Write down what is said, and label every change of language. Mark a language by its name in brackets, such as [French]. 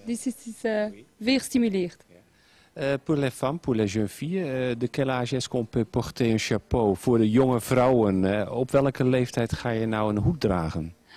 [Dutch] Dus het is weer stimuleerd. [French] Pour les femmes, pour les jeunes filles, de quel âge est-ce qu'on peut porter un chapeau? [Dutch] Voor de jonge vrouwen, op welke leeftijd ga je nou een hoed dragen?